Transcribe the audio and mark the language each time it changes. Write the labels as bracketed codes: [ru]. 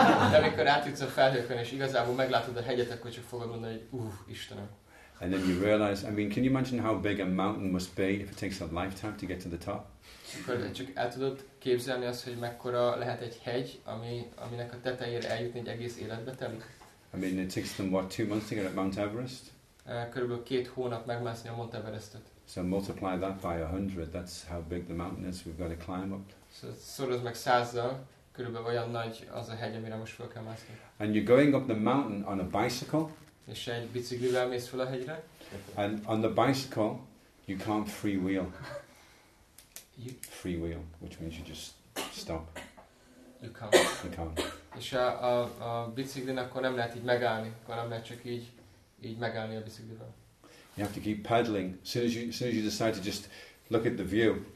[hu] De amikor átjutsz a felhőkön és igazából meglátod a hegyet, akkor csak fogod mondani, hogy Istenem. [en] And then you realize, I mean, can you imagine how big a mountain must be if it takes a lifetime to get to the top? [hu] Akkor csak el tudod képzelni azt, hogy mekkora lehet egy hegy, aminek a tetejére eljutni egy egész életbe telik? [en] I mean, it takes them what, 2 months to get at Mount Everest? [hu] Körülbelül 2 hónap megmászni a Mount Everestet. [en] So multiply that by 100, that's how big the mountain is we've got to climb up. [hu] So szorozd meg 100-zal. Körülbelül olyan nagy az a hegy, amire most fel kell mászni. [en] And you're going up the mountain on a bicycle. [hu] És egy biciklivel mész fel a hegyre. [en] And on the bicycle, you can't free wheel. Free wheel, which means you just stop. You can't. [hu] És a biciklin akkor nem lehet így megállni, akkor nem lehet csak így megállni a biciklivel. [en] You have to keep pedaling. As soon as you decide to just look at the view.